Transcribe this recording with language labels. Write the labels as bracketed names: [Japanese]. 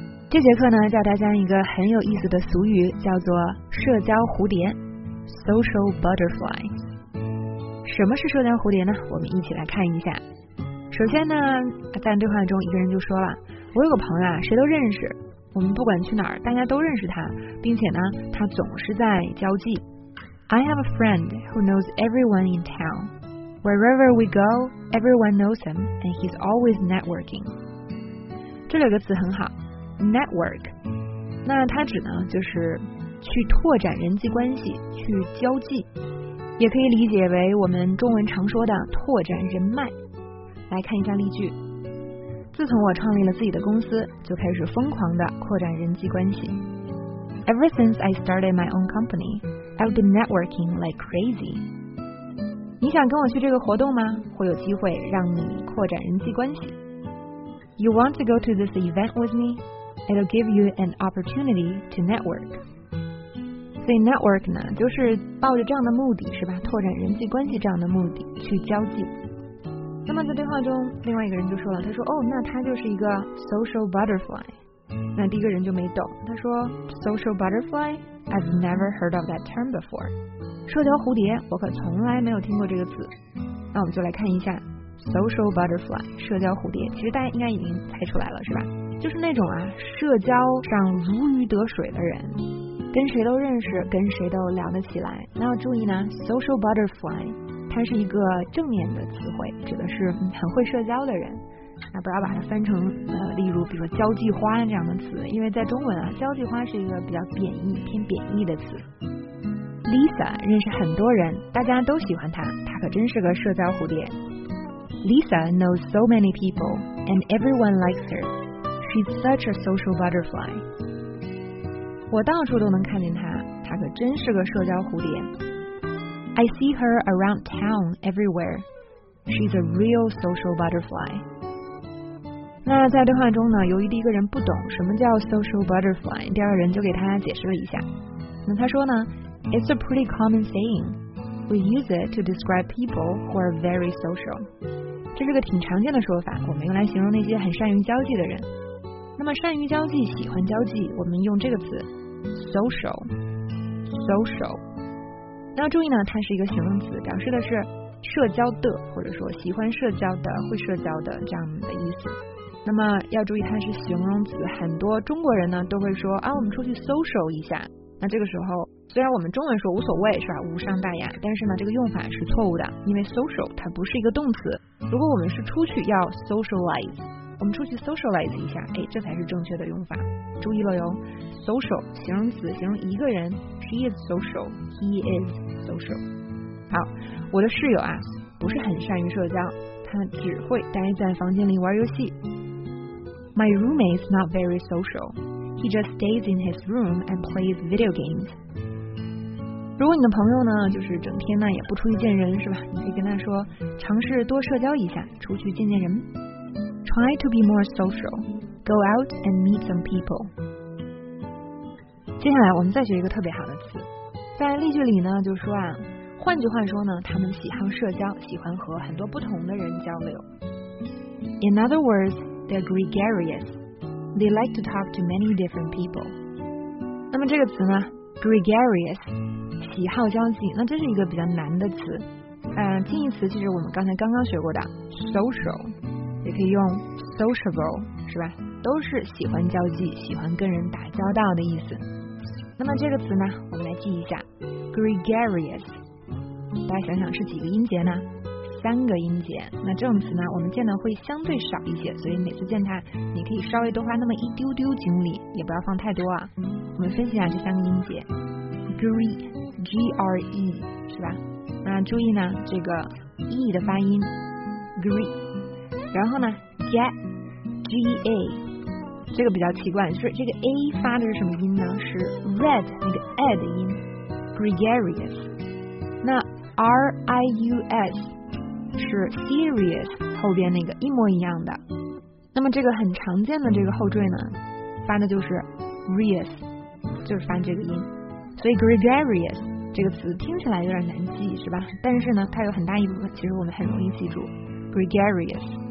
[Chinese] 这节课呢，教大家一个很有意思的俗语，叫做社交蝴蝶 （social butterfly）。什么是社交蝴蝶呢？我们一起来看一下。首先呢，在对话中，一个人就说了：“我有个朋友啊，谁都认识。” 我们不管去哪儿，大家都认识他，并且呢，他总是在交际。 [English] I have a friend who knows everyone in town. Wherever we go, everyone knows him, and he's always networking. [Chinese] 这里有个词很好 ，network。那它指呢，就是去拓展人际关系，去交际，也可以理解为我们中文常说的拓展人脉。来看一下例句。自从我创立了自己的公司，就开始疯狂地扩展人际关系。 [English] Ever since I started my own company, I've been networking like crazy. [Chinese] 你想跟我去这个活动吗？会有机会让你扩展人际关系。 [English] You want to go to this event with me? It'll give you an opportunity to network. [Chinese] 所以 network 呢，就是抱着这样的目的，是吧？拓展人际关系这样的目的去交际。那么在对话中，另外一个人就说了，他说：“哦，那他就是一个 social butterfly。” 那第一个人就没懂，他说 [English] ：“social butterfly, I've never heard of that term before。” [Chinese] 社交蝴蝶，我可从来没有听过这个词。那我们就来看一下 social butterfly， 社交蝴蝶。其实大家应该已经猜出来了，是吧？就是那种啊，社交上如鱼得水的人，跟谁都认识，跟谁都聊得起来。那要注意呢 ，social butterfly。它是一个正面的词汇，指的是很会社交的人。那不要把它翻成例如比如说交际花这样的词，因为在中文啊，交际花是一个比较贬义偏贬义的词。 Lisa 认识很多人，大家都喜欢她，她可真是个社交蝴蝶。 [English] Lisa knows so many people and everyone likes her. She's such a social butterfly. [Chinese] 我到处都能看见她，她可真是个社交蝴蝶。 [English] I see her around town everywhere. She's a real social butterfly. [Chinese] 那在对话中呢，由于第一个人不懂什么叫 social butterfly， 第二个人就给他解释了一下。那他说呢 [English] ，It's a pretty common saying. We use it to describe people who are very social. [Chinese] 这是个挺常见的说法，我们用来形容那些很善于交际的人。那么善于交际，喜欢交际，我们用这个词 social， social。要注意呢，它是一个形容词，表示的是社交的，或者说喜欢社交的、会社交的这样的意思。那么要注意它是形容词，很多中国人呢都会说啊，我们出去 social 一下。那这个时候虽然我们中文说无所谓是吧，无伤大雅，但是呢这个用法是错误的，因为 social 它不是一个动词。如果我们是出去要 socialize， 我们出去 socialize 一下，哎，这才是正确的用法。注意了哟 ，social 形容词形容一个人 ， [English] she is social，he is social。 [Chinese] 好，我的室友啊，不是很善于社交，他只会待在房间里玩游戏。 [English] My roommate is not very social. He just stays in his room and plays video games. [Chinese] 如果你的朋友呢，就是整天呢也不出去见人是吧？你可以跟他说，尝试多社交一下，出去见见人。 [English] Try to be more social. Go out and meet some people. [Chinese] 接下来我们再学一个特别好的词，在例句里呢，就说啊，换句话说呢，他们喜好社交，喜欢和很多不同的人交流。 [English] In other words, they're gregarious. They like to talk to many different people. [Chinese] 那么这个词呢 ，gregarious， 喜好交际，那这是一个比较难的词。近义词其实我们刚才刚刚学过的 ，social， 也可以用 sociable， 是吧？都是喜欢交际，喜欢跟人打交道的意思。那么这个词呢，我们来记一下 ，gregarious。大家想想是几个音节呢？三个音节。那这种词呢，我们见的会相对少一些，所以每次见它，你可以稍微多花那么一丢丢精力，也不要放太多啊。我们分析一下这三个音节 ，gre，g-r-e， 是吧？那注意呢，这个 e 的发音 ，gre， 然后呢 ，get。 G-A 这个比较奇怪，就是这个 A 发的是什么音呢？是 red 那个 A 的音 gregarious。那 R-I-U-S 是 serious 后边那个一模一样的。那么这个很常见的这个后缀呢，发的就是 rious， 就是发这个音。所以 gregarious 这个词听起来有点难记，是吧？但是呢，它有很大一部分其实我们很容易记住 ，gregarious。